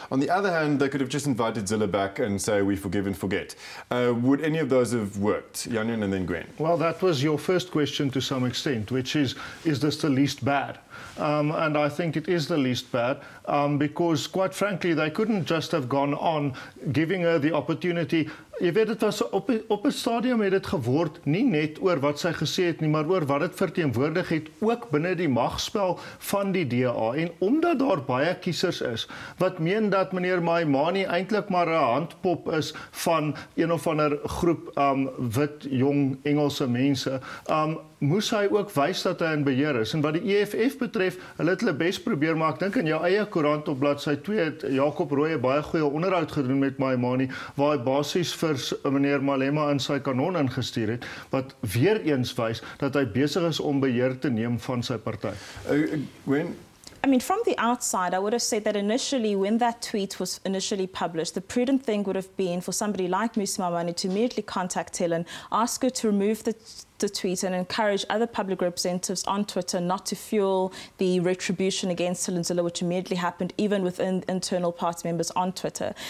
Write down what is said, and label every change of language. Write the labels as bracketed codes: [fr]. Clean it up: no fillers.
[en] On the other hand, they could have just invited Zille back and say, we forgive and forget. Would any of those have worked, Yan, and then Gwen? Well, that was your first question to some extent, which is this the least bad? And I think it is the least bad, because quite frankly, they couldn't just have gone on giving her the opportunity. [af] Jy weet, dit was op 'n stadium het dit geword nie net oor wat sy gesê het nie, maar oor wat dit verteenwoordig het ook binne die magspel van die DA. En omdat daar baie kiesers is wat meen dat meneer Maimane eintlik maar 'n handpop is van een of ander groep wit jong Engelse mense, moes hy ook wys dat hy in beheer is. En wat die EFF betref, hulle bes probeer, maar ek dink in jou eie koerant op bladsy 2 het Jacob Rooi baie goeie onderhoud gedoen met Maimane, waar hy basies vir meneer Malema in sy kanon ingestuur het, wat weer eens wys dat hy besig is om beheer te neem van sy party. [en] I mean, from the outside, I would have said that initially, when that tweet was initially published, the prudent thing would have been for somebody like Musi Maimane to immediately contact Helen, ask her to remove the tweet and encourage other public representatives on Twitter not to fuel the retribution against Helen Zille, which immediately happened, even within internal party members on Twitter.